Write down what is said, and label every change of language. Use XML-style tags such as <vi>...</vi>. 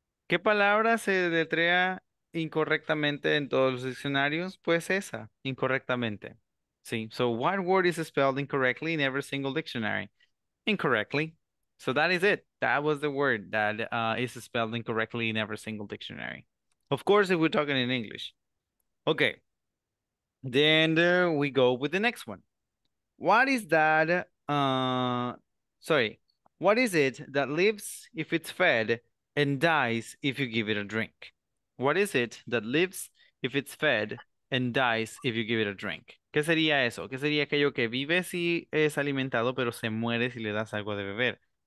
<es>¿Qué palabra se deletrea incorrectamente en todos los diccionarios? Pues esa, incorrectamente. Sí.</es> <en>So what word is spelled incorrectly in every single dictionary? Incorrectly. So that is it. That was the word that is spelled incorrectly in every single dictionary. Of course, if we're talking in English. Okay. Then we go with the next one. What is that? What is it that lives if it's fed and dies if you give it a drink? What is it that lives if it's fed and dies if you give it a drink?</en> <es>¿Qué sería eso? ¿Qué sería aquello que vive si es alimentado, pero se muere si le das algo de beber?</es>